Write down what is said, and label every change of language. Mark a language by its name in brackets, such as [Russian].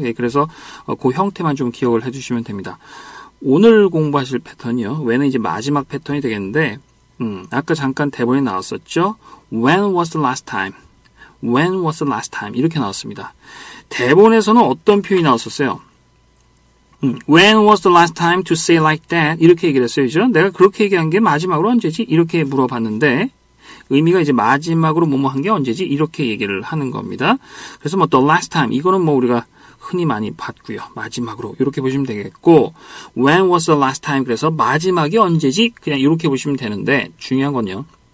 [Korean] 예, 그래서 그 형태만 좀 기억을 해주시면 됩니다. 오늘 공부하실 패턴이요. 웬은 이제 마지막 패턴이 되겠는데 아까 잠깐 대본에 나왔었죠? [English] When was the last time? When was the last time? [Korean] 이렇게 나왔습니다. 대본에서는 어떤 표현이 나왔었어요? [English] When was the last time to say like that? [Korean] 이렇게 얘기를 했어요. 그죠? 내가 그렇게 얘기한 게 마지막으로 언제지? 이렇게 물어봤는데 의미가 이제 마지막으로 뭐뭐 한 게 언제지? 이렇게 얘기를 하는 겁니다. 그래서 뭐 the last time 이거는 뭐 우리가 흔히 많이 봤고요. 마지막으로 이렇게 보시면 되겠고 [English] When was the last time? [Korean] 그래서 마지막이 언제지? 그냥 이렇게 보시면 되는데 중요한 건요.